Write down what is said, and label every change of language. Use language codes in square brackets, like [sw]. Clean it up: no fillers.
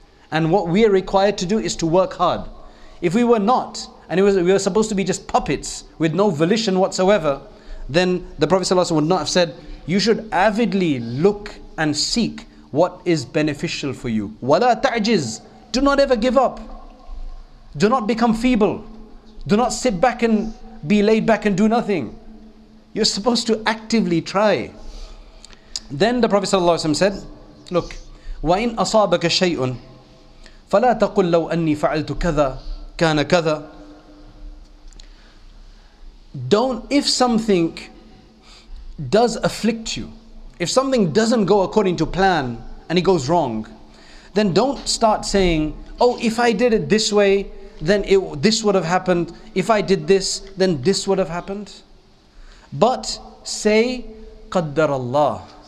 [en] And what we are required to do is to work hard. If we were not, and we were supposed to be just puppets with no volition whatsoever, then the Prophet ﷺ would not have said, you should avidly look and seek what is beneficial for you. [ar] وَلَا تَعْجِزْ. [en] Do not ever give up. Do not become feeble. Do not sit back and be laid back and do nothing. You're supposed to actively try. Then the Prophet sallallahu alaihi wasallam said, look, [ar] وَإِنْ أَصَابَكَ شَيْءٌ فَلَا تَقُلْ لَوْ أَنِّي فَعَلْتُ كَذَا كَانَ كَذَا. [en] Don't, if something does afflict you, if something doesn't go according to plan and it goes wrong, then don't start saying, oh, if I did it this way, then this would have happened. If I did this, then this would have happened. But say, [ar] قَدَّرَ [en] Allah.